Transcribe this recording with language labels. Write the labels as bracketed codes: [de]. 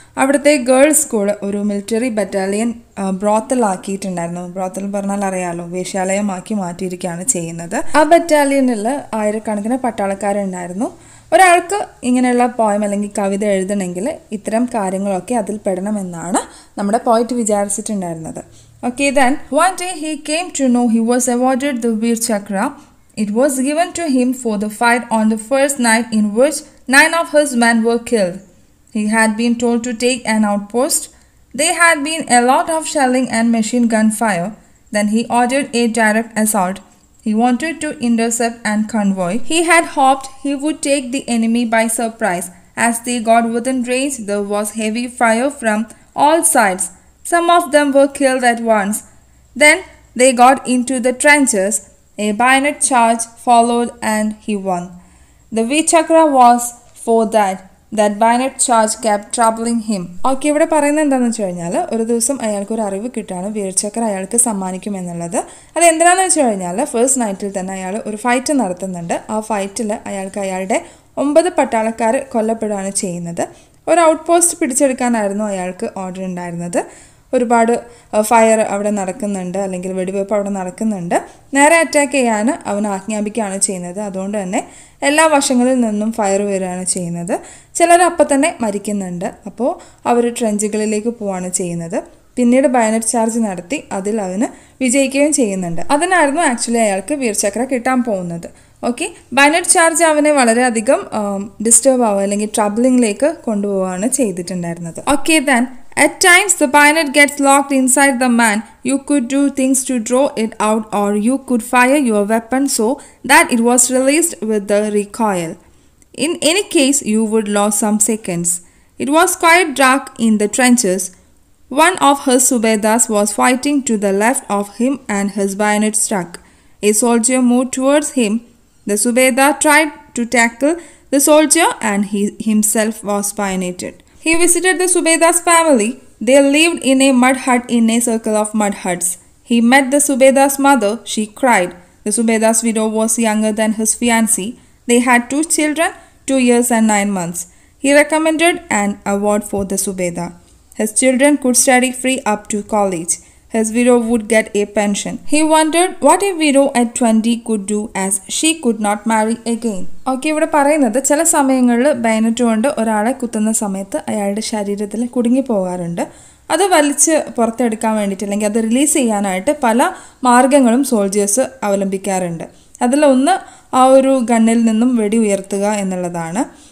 [ml] അവിടുത്തെ girls school ഒരു military battalion ബ്രോത്തലാക്കിയിട്ടുണ്ടായിരുന്നു. Brothel പറഞ്ഞാൽ അറിയാലോ, വേശ്യാലയമാക്കി മാറ്റിയിരിക്കുകയാണ് ചെയ്യുന്നത്. ആ ബറ്റാലിയനിൽ ആയിരക്കണക്കിന് പട്ടാളക്കാരുണ്ടായിരുന്നു. ഒരാൾക്ക് ഇങ്ങനെയുള്ള പോയം അല്ലെങ്കിൽ കവിത എഴുതണമെങ്കിൽ ഇത്തരം കാര്യങ്ങളൊക്കെ അതിൽ പെടണമെന്നാണ് നമ്മുടെ പോയിറ്റ് വിചാരിച്ചിട്ടുണ്ടായിരുന്നത്. [en] Okay, then one day he came to know he was awarded the Veer Chakra. It was given to him for the fight on the first night in which 9 of his men were killed. He had been told to take an outpost. There had been a lot of shelling and machine gun fire. Then he ordered a direct assault. He wanted to intercept and convoy. He had hoped he would take the enemy by surprise. As they got within range, there was heavy fire from all sides. Some of them were killed at once. Then they got into the trenches. A bayonet charge followed and he won. The Veer Chakra was for that. That bayonet charge kept troubling him. [ml] Okay, ഇവിടെ പറയുന്നത് എന്താണെന്ന് വെച്ച് കഴിഞ്ഞാൽ ഒരു ദിവസം അയാൾക്ക് ഒരു അറിവ് കിട്ടാണ് വീർ ചക്ര അയാൾക്ക് സമ്മാനിക്കും എന്നുള്ളത്. അത് എന്തിനാണെന്ന് വെച്ച് കഴിഞ്ഞാൽ ഫസ്റ്റ് നൈറ്റിൽ തന്നെ അയാൾ ഒരു ഫൈറ്റ് നടത്തുന്നുണ്ട്. ആ ഫൈറ്റിൽ അയാൾക്ക് അയാളുടെ 9 പട്ടാളക്കാർ കൊല്ലപ്പെടുകയാണ് ചെയ്യുന്നത്. ഒരു ഔട്ട് പോസ്റ്റ് പിടിച്ചെടുക്കാനായിരുന്നു അയാൾക്ക് ഓർഡർ ഉണ്ടായിരുന്നത്. ഒരുപാട് ഫയർ അവിടെ നടക്കുന്നുണ്ട് അല്ലെങ്കിൽ വെടിവെയ്പ്പ് അവിടെ നടക്കുന്നുണ്ട്. നേരെ അറ്റാക്ക് ചെയ്യാൻ അവൻ ആജ്ഞാപിക്കുകയാണ് ചെയ്യുന്നത്. അതുകൊണ്ട് തന്നെ എല്ലാ വശങ്ങളിൽ നിന്നും ഫയർ വരികയാണ് ചെയ്യുന്നത്. ചിലർ അപ്പം തന്നെ മരിക്കുന്നുണ്ട്. അപ്പോൾ അവർ ട്രെഞ്ചുകളിലേക്ക് പോവുകയാണ് ചെയ്യുന്നത്. പിന്നീട് ബയനറ്റ് ചാർജ് നടത്തി അതിൽ അവന് വിജയിക്കുകയും ചെയ്യുന്നുണ്ട്. അതിനായിരുന്നു ആക്ച്വലി അയാൾക്ക് വീർചക്ര കിട്ടാൻ പോകുന്നത്. ഓക്കെ, ബയനറ്റ് ചാർജ് അവനെ വളരെയധികം ഡിസ്റ്റേബ് ആവുക അല്ലെങ്കിൽ ട്രബ്ലിംഗിലേക്ക് കൊണ്ടുപോവുകയാണ് ചെയ്തിട്ടുണ്ടായിരുന്നത്. [en] Okay, then At times, the bayonet gets locked inside the man. You could do things to draw it out or you could fire your weapon so that it was released with the recoil. In any case, you would lose some seconds. It was quite dark in the trenches. One of his subedars was fighting to the left of him and his bayonet struck. A soldier moved towards him. The subedar tried to tackle the soldier and he himself was bayoneted. He visited the Subedar's family. They lived in a mud hut in a circle of mud huts. He met the Subedar's mother. She cried. The Subedar's widow was younger than his fiancée. They had 2 children, 2 years and 9 months. He recommended an award for the Subedar. His children could study free up to college. His widow would get a pension. He wondered what a widow at 20 could do as she could not marry again. [ml] Okay, ഇവിടെ പറയുന്നത് ചില സമയങ്ങളിൽ bayonet കൊണ്ട് ഒരാളെ കുത്തുന്ന സമയത്ത് അയാളുടെ ശരീരത്തിൽ കുടുങ്ങിപ്പോകാറുണ്ട്. അത് വലിച്ച് പുറത്തെടുക്കാൻ വേണ്ടിയിട്ട് അല്ലെങ്കിൽ അത് റിലീസ് ചെയ്യാനായിട്ട് പല മാർഗങ്ങളും സോൾജിയേഴ്സ് അവലംബിക്കാറുണ്ട്. അതിലൊന്ന് ആ ഒരു ഗണ്ണിൽ നിന്നും വെടി ഉയർത്തുക എന്നുള്ളതാണ്.